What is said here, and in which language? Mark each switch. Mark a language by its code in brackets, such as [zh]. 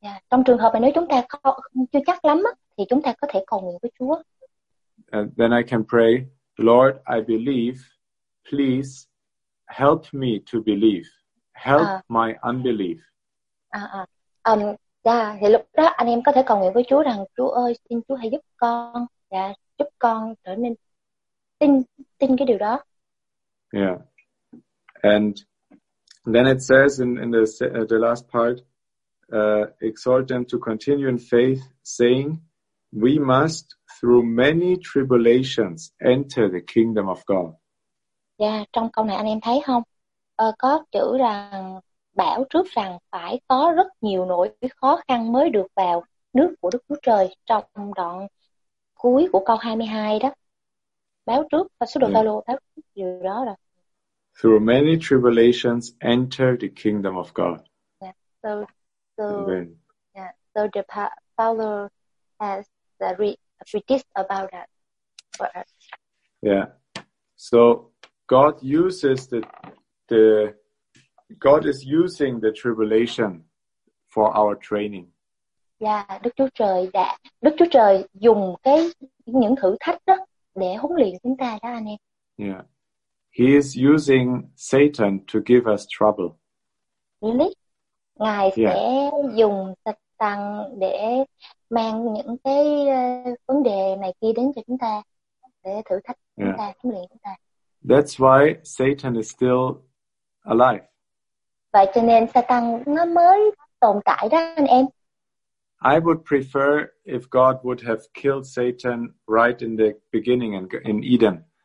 [vi] Trong trường hợp mà nếu chúng ta chưa chắc lắm thì chúng ta có thể cầu nguyện với Chúa. [en] Then I can pray, Lord, I believe, please help me to believe. help my unbelief. [vi] Dạ, thì lúc đó anh em có thể cầu nguyện với Chúa rằng Chúa ơi, xin Chúa hãy giúp con, dạ, giúp con trở nên tin cái điều đó. [en] Yeah. And then it says in the last part, exhort them to continue in faith, saying, we must through many tribulations enter the kingdom of God. [vi] Dạ, trong câu này anh em thấy không? Có chữ rằng bảo trước rằng phải có rất nhiều nỗi khó khăn mới được vào nước của Đức Chúa Trời trong đoạn cuối của câu 22 đó. Báo trước và số đồ Phaolô báo trước điều đó rồi. [en] Through many tribulations enter the kingdom of God. Yeah. So the Paul has predicted about that. Yeah. So God uses the God is using the tribulation for our training. [vi] Yeah, Đức Chúa Trời dùng cái những thử thách đó để huấn luyện chúng ta đó anh em. [en] Yeah. He is using Satan to give us trouble. Really? Ngài yeah. [vi] sẽ dùng Satan để mang những cái vấn đề này kia đến cho chúng ta để thử thách chúng ta, huấn luyện chúng ta. [en] That's why Satan is still alive. [vi] Vậy cho nên Satan nó mới tồn tại đó anh em. [en] I would prefer if God would have killed Satan right in the beginning in Eden.